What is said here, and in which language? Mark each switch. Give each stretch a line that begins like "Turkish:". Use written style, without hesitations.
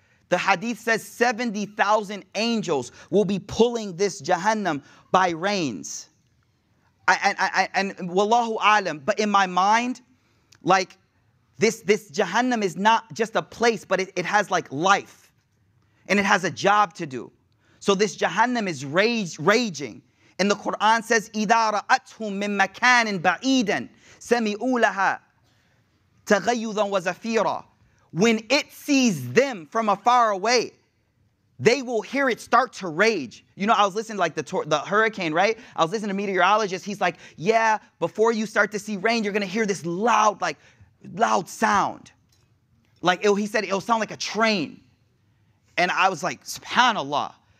English: The hadith says 70,000 angels will be pulling this Jahannam by reins. And wallahu alam, but in my mind, like, this Jahannam is not just a place, but it has like life. And it has a job to do. So this Jahannam is raging. And the Quran says,
Arabic: إِذَا رَأَتْهُم مِّن مَكَانٍ بَعِيدًا سَمِعُوا لَهَا تَغَيُّذًا وَزَفِيرًا.
English: When it sees them from afar away, they will hear it start to rage. You know, I was listening to like the hurricane, right? I was listening to a meteorologist. He's like, yeah, before you start to see rain, you're going to hear this loud sound. He said it'll sound like a train. And I was like, subhanAllah.